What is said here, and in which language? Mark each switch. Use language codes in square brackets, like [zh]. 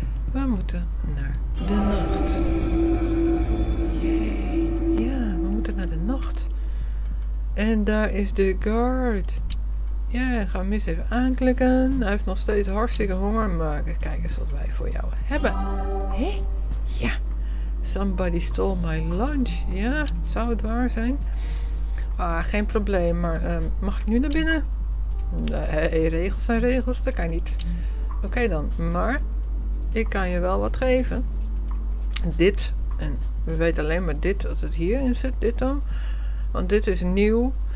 [nl] We moeten naar de nacht. Yay. Ja, we moeten naar de nacht. En daar is de guard. Ja, ga hem eens even aanklikken. Hij heeft nog steeds hartstikke honger. Maar kijk eens wat wij voor jou hebben. Hé? Ja. [en] Somebody stole my lunch. [nl] Ja, zou het waar zijn? Ah, geen probleem. Maar mag ik nu naar binnen? Nee, regels zijn regels. Dat kan niet. Oké, dan. Maar ik kan je wel wat geven. Dit. En we weten alleen maar dit. Dat het hierin zit. Dit dan. Want dit is nieuw.